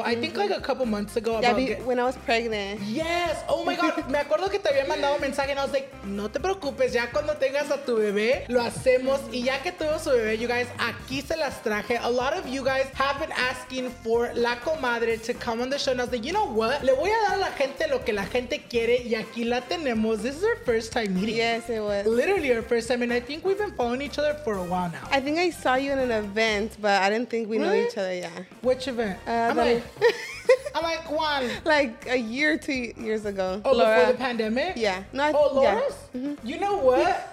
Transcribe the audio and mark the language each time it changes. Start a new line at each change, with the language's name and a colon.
English: Mm-hmm. I think like a couple months ago. Yeah, when I was pregnant. Yes. Oh my God.
Spanish: Me acuerdo que te había mandado un mensaje
English: and I was like,
Spanish: no te preocupes, ya cuando tengas a tu bebé, lo hacemos. Mm-hmm. Y ya que tuvo su bebé,
English: you guys,
Spanish: aquí se las traje.
English: A lot of you guys have been asking for La Comadre to come on the show. And I was like, you know what?
Spanish: Le voy a dar a la gente lo que la gente quiere y aquí la tenemos.
English: This is our first time meeting. Yes, it was. Literally our first time. And I think we've been following each other for a while now. I think I saw you in an event, but I didn't think we really? Knew each other, yeah. Which event? I'm like, one. Like a year, 2 years ago. Oh, Laura. Before the pandemic? Yeah. No, Laura's? Yeah. Mm-hmm. You know what?